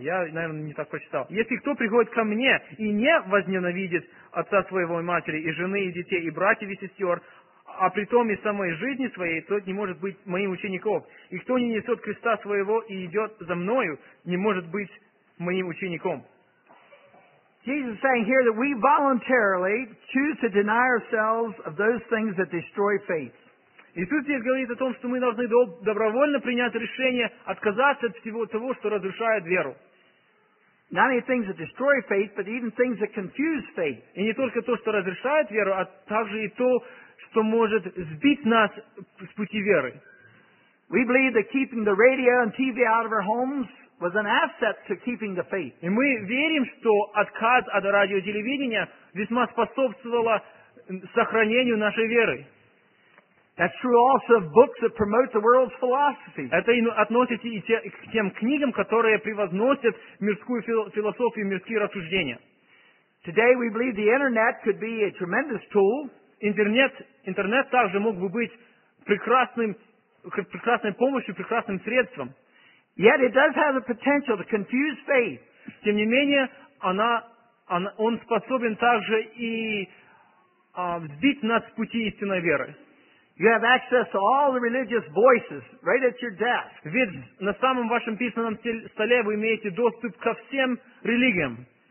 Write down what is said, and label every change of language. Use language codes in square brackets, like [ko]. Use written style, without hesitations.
[ru] я, наверное, не так прочитал. Если кто приходит ко мне и не возненавидит отца своего и матери, и жены, и детей, и братьев, и сестер, а при том и самой жизни своей, тот не может быть моим учеником. И кто не несет креста своего и идет за мною, не может быть моим учеником. [en] Jesus is saying here that we voluntarily choose to deny ourselves of those things that destroy faith. [ru] Иисус говорит о том, что мы должны добровольно принять решение отказаться от всего того, что разрушает веру. [en] Not only things that destroy faith, but even things that confuse faith. [ru] И не только то, что разрушает веру, а также и то, что может сбить нас с пути веры. [en] We believe that keeping the radio and TV out of our homes was an asset to keeping the faith. [ru] И мы верим, что отказ от радио и телевидения весьма способствовало сохранению нашей веры. [en] That's true also of books that promote the world's philosophy. [ru] Это относится и к тем книгам, которые превозносят мирскую философию, мирские рассуждения. [en] Today we believe the internet could be a tremendous tool. [ru] Интернет также мог бы быть прекрасной помощью, прекрасным средством. [en] Yet it does have the potential to confuse faith. [ru] Тем не менее, он способен также и сбить нас с пути истинной веры. [en] You have access to all the religious voices right at your desk. [ru] Ведь на самом вашем письменном столе вы имеете доступ ко всем религиям.